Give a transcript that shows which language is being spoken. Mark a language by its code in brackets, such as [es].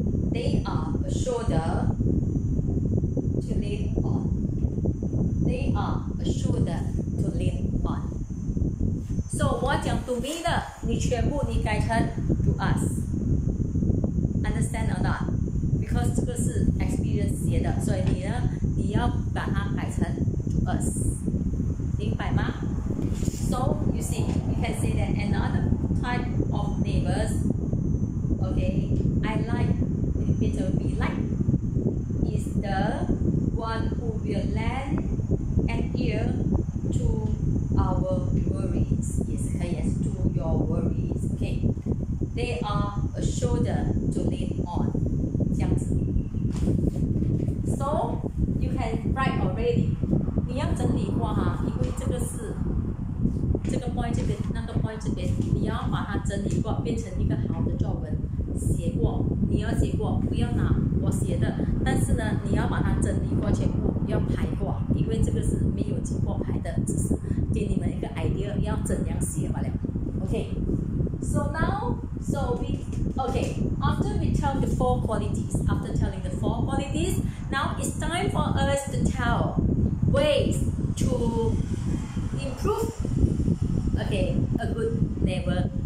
[en] They are a shoulder to lean on. They are a shoulder to lean on. So [zh] 我讲 [en] to me [zh] 的，你全部你改成 [en] to us. Understand or not? Because [zh] 这个是 experience 写的，所以你呢，你要把它改成 [en] to us. [zh] 明白吗？ [en] So you see, you can say that another type of neighbors. Okay, I like. Be like is the one who will lend an ear to our worries. Yes, yes, to your worries. Okay, they are a shoulder to lean on. [zh] 这样子。 [en] So you can write already. [zh] 你要整理话哈，因为这个是这个 point 这边，那个 point 这边，你要把它整理过，变成一个好的作文。写过，你要写过，不要拿我写的，但是呢，你要把它整理过，全部要排过，因为这个是没有经过排的，只是给你们一个 idea， 要怎样写罢了。 [en] Okay, so now, so we, okay, after we tell the four qualities, after telling the four qualities, now it's time for us to tell ways to improve, okay, a good neighbor.